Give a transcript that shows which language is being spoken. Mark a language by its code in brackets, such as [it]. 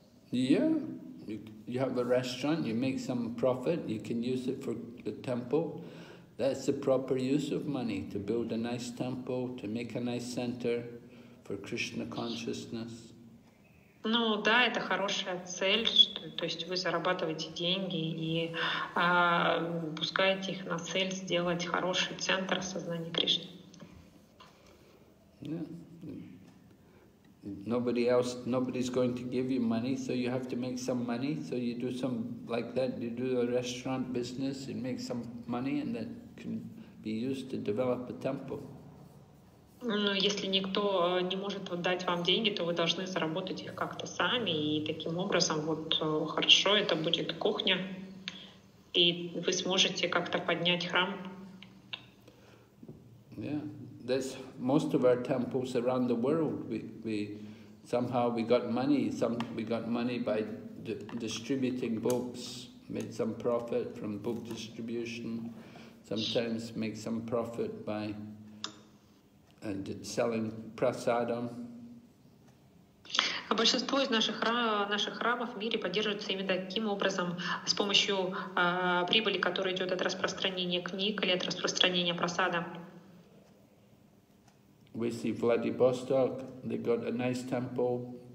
[en] Yeah. You have a restaurant, you make some profit, you can use it for the temple. That's the proper use of money, to build a nice temple, to make a nice center for Krishna consciousness. [ru] Ну да, это хорошая цель, что, то есть вы зарабатываете деньги и пускаете их на цель сделать хороший центр сознания Кришны. [en] Yeah. Nobody's going to give you money, so you have to make some money. So you do some like that, you do a restaurant business and make some money, and that can be used to develop a temple. [ru] Ну, если никто не может дать вам деньги, то вы должны заработать их как-то сами, и таким образом, вот, хорошо, это будет кухня, и вы сможете как-то поднять храм. [en] Yeah, there's most of our temples around the world, we got money by distributing books, made some profit from book distribution, sometimes make some profit by and selling prasadam. [ru] Большинство из наших храмов в мире поддерживается именно таким образом, с помощью прибыли, которая идет от распространения книг или от распространения прасада. [en] We see Vladivostok, they got a nice temple.